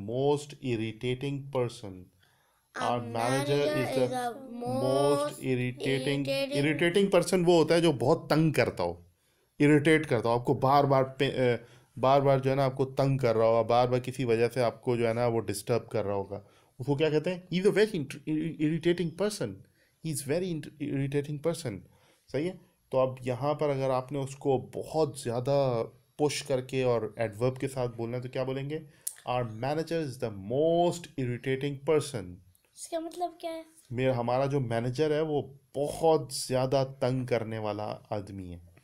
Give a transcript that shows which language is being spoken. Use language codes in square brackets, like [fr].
[en] Our manager is the most irritating person. Our manager is the most irritating person [hi] वो होता है जो बहुत तंग करता हो, इरिटेट करता हो आपको, बार बार बार बार जो है ना आपको तंग कर रहा होगा, बार बार किसी वजह से आपको जो है ना वो डिस्टर्ब कर रहा होगा, उसको क्या कहते हैं? [en] He's a very irritating person. He's very irritating person. [hi] सही है? तो अब यहाँ पर अगर आपने उसको बहुत ज़्यादा पुश करके और एडवर्ब के साथ बोलना है तो क्या बोलेंगे? [en] Our manager is the most irritating person. [hi] इसका मतलब क्या है? मेरा हमारा जो मैनेजर है वो बहुत ज़्यादा तंग करने वाला आदमी है.